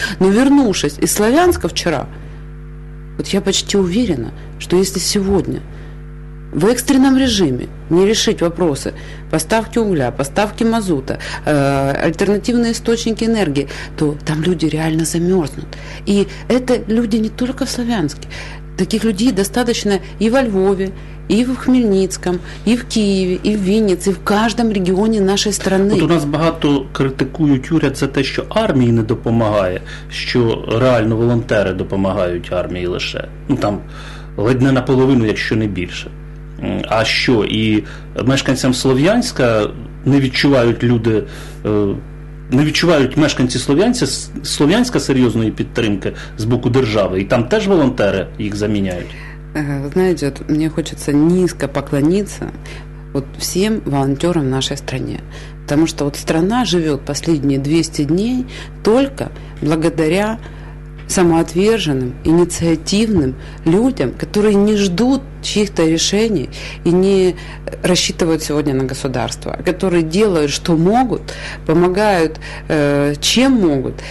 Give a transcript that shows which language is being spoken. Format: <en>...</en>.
<ru>Но вернувшись из Славянска вчера, вот я почти уверена, что если сегодня в экстренном режиме не решить вопросы поставки угля, поставки мазута, альтернативные источники энергии, то там люди реально замерзнут. И это люди не только в Славянске. Таких людей достаточно и во Львове, и в Хмельницком,</ru> <uk>и в Києві, і в Вінниці, і в кожному регіоні нашої країни. От у нас багато критикують уряд за те, що армії не допомагає, що реально волонтери допомагають армії лише. Ну там ледь не наполовину, якщо не більше. А що, і мешканцям Слов'янська не відчувають люди, не відчувають мешканці Слов'янська серйозної підтримки з боку держави, і там теж волонтери їх заміняють.</uk> <ru>Знаете, вот мне хочется низко поклониться вот всем волонтерам в нашей стране. Потому что вот страна живет последние 200 дней только благодаря самоотверженным, инициативным людям, которые не ждут чьих-то решений и не рассчитывают сегодня на государство, которые делают, что могут, помогают, чем могут.</ru>